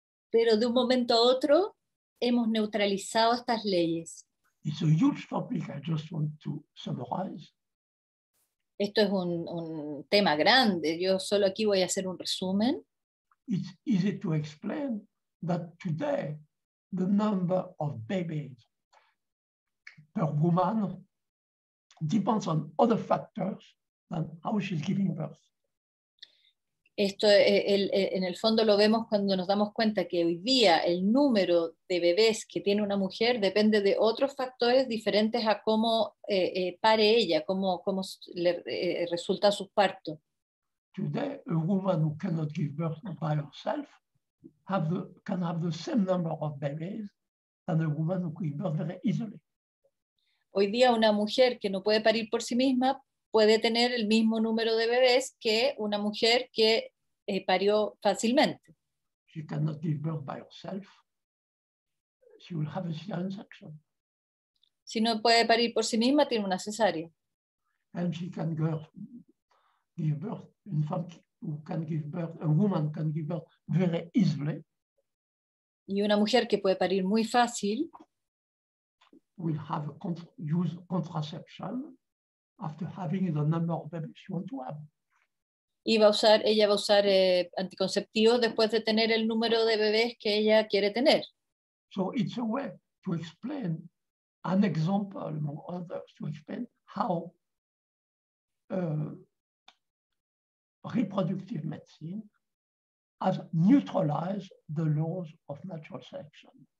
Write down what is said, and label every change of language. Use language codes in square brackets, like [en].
[es] Pero de un momento a otro hemos neutralizado estas leyes. [en] It's a huge topic, I just want to summarize. [es] Esto es un tema grande. Yo solo aquí voy a hacer un resumen. [en] It's easy to explain that today the number of babies per woman depends on other factors than how she's giving birth. [es] Esto en el fondo lo vemos cuando nos damos cuenta que hoy día el número de bebés que tiene una mujer depende de otros factores diferentes a cómo pare ella, cómo le resulta su parto. [en] Today, a woman who cannot give birth by herself can have the same number of babies than a woman who gives birth very easily. [es] Hoy día, una mujer que no puede parir por sí misma puede tener el mismo número de bebés que una mujer que parió fácilmente. [en] She cannot give birth by herself. She will have a cesarean section. [es] Si no puede parir por sí misma, tiene una cesárea. [en] And she can give birth. [es] Una mujer [en] who can give birth, a woman can give birth very easily. [es] Y una mujer que puede parir muy fácil [en] will have use contraception after having the number of babies she wants to have. [es] Y ella va a usar anticonceptivos después de tener el número de bebés que ella quiere tener. [en] So it's a way to explain an example among others to explain how reproductive medicine has neutralized the laws of natural selection.